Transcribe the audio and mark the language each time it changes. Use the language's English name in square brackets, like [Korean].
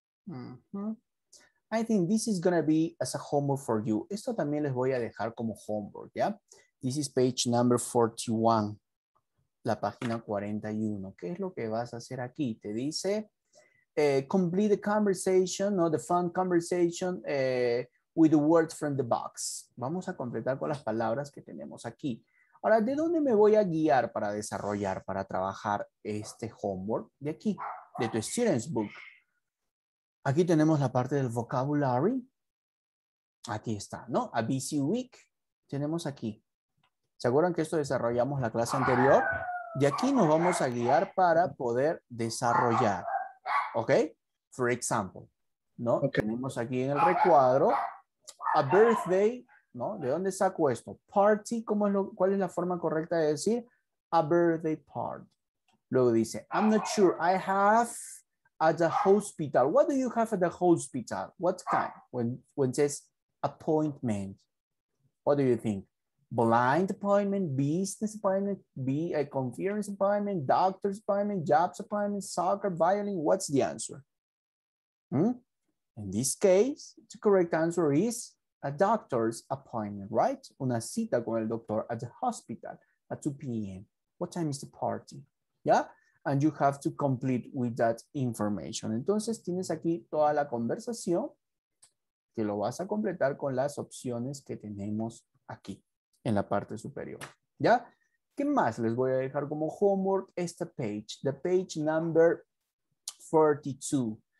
[English] I think this is gonna be as a homework for you. [Spanish] Esto también les voy a dejar como homework, [English] yeah? This is page number 41. [Spanish] La página 41. ¿Qué es lo que vas a hacer aquí? Te dice, [English] complete the conversation, [Spanish] ¿no? [English] The fun conversation with the words from the box. [Spanish] Vamos a completar con las palabras que tenemos aquí. Ahora, ¿de dónde me voy a guiar para desarrollar, para trabajar este homework? De aquí, de tu student's book. Aquí tenemos la parte del vocabulary. Aquí está, ¿no? [English] A busy week. [Spanish] Tenemos aquí. ¿Se acuerdan que esto desarrollamos la clase anterior? De aquí nos vamos a guiar para poder desarrollar. ¿Ok? [English] For example, [Spanish] ¿no? Okay. Tenemos aquí en el recuadro, [English] a birthday, [Spanish] ¿no? ¿De dónde saco esto? Party, ¿cuál es la forma correcta de decir? [English] A birthday party. [Spanish] Luego dice, [English] I'm not sure, I have at the hospital. What do you have at the hospital? What kind? When it says appointment, what do you think? Blind appointment, business appointment, a conference appointment, doctor's appointment, jobs appointment, soccer, violin. What's the answer? In this case, the correct answer is a doctor's appointment, right? [Spanish] Una cita con el doctor [English] at the hospital at 2 p.m. What time is the party? Yeah? And you have to complete with that information. [Spanish] Entonces, tienes aquí toda la conversación que lo vas a completar con las opciones que tenemos aquí. En la parte superior, ¿ya? ¿Qué más les voy a dejar como homework? Esta [English] page, the page number 42.